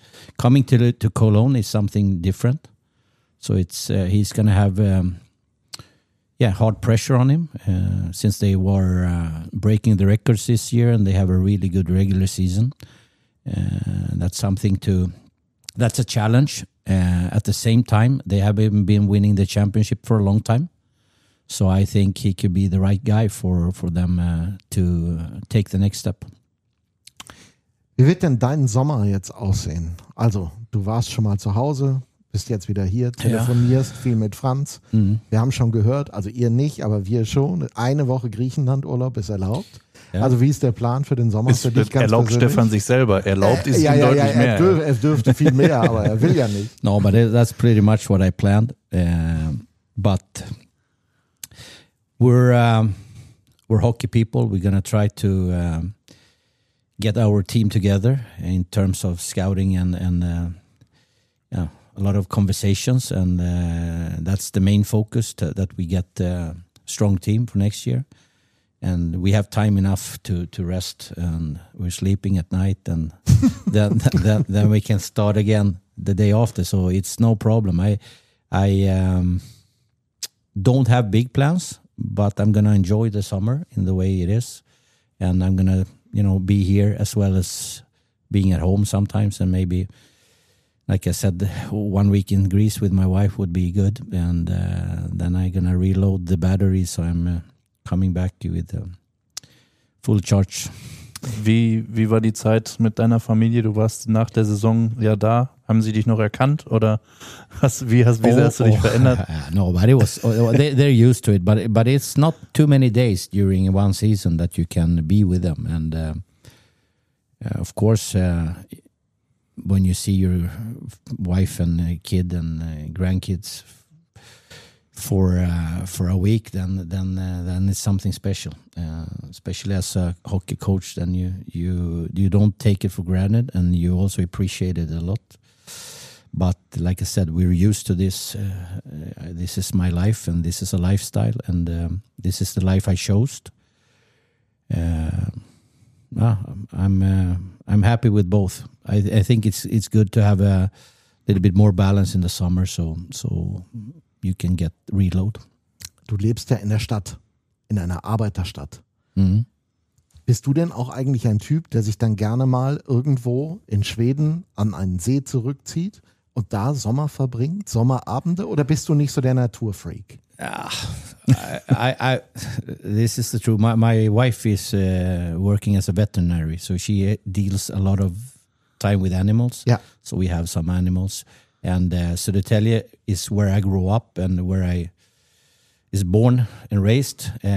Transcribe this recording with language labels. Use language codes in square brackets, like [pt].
[en] But coming to Cologne is something different. So it's he's going to have hard pressure on him since they were breaking the records this year, and they have a really good regular season. That's a challenge. At the same time, they haven't been winning the championship for a long time. So I think he could be the right guy for them to take the next step. [de] Wie wird denn dein Sommer jetzt aussehen? Also, du warst schon mal zu Hause, bist jetzt wieder hier, telefonierst viel mit Franz. Mhm. Wir haben schon gehört, also ihr nicht, aber wir schon. Eine Woche Griechenlandurlaub ist erlaubt. Ja. Also, wie ist der Plan für den Sommer für dich ganz persönlich? Erlaubt Stefan sich selber. Erlaubt ist ihm deutlich mehr. Er dürfte viel mehr, aber er will ja nicht. [en] No, but that's pretty much what I planned. But we're hockey people. We're gonna try to get our team together in terms of scouting and a lot of conversations, and that's the main focus that we get a strong team for next year, and we have time enough to rest, and we're sleeping at night, and then we can start again the day after, so it's no problem. I don't have big plans, but I'm gonna enjoy the summer in the way it is, and I'm gonna be here as well as being at home sometimes, and maybe, like I said, 1 week in Greece with my wife would be good, and then I'm gonna reload the battery, so I'm coming back with full charge. [de] Wie war die Zeit mit deiner Familie? Du warst nach der Saison ja da. Haben sie dich noch erkannt, oder hast du dich verändert? [en] No, but it was they're used to it, but it's not too many days during one season that you can be with them, and of course when you see your wife and kid and grandkids for a week, then it's something special, especially as a hockey coach. Then you don't take it for granted, and you also appreciate it a lot. But like I said, we're used to this. This is my life, and this is a lifestyle, and this is the life I chose. I'm happy with both. I think it's good to have a little bit more balance in the summer, so you can get reload. [de] Du lebst ja in der Stadt, in einer Arbeiterstadt. Mhm. Bist du denn auch eigentlich ein Typ, der sich dann gerne mal irgendwo in Schweden an einen See zurückzieht und da Sommer verbringt, Sommerabende, oder bist du nicht so der Naturfreak? [en] Ach, I this is the truth. My wife is working as a veterinary, so she deals a lot of time with animals. Yeah. So we have some animals. And Södertälje is where I grew up and where I is born and raised.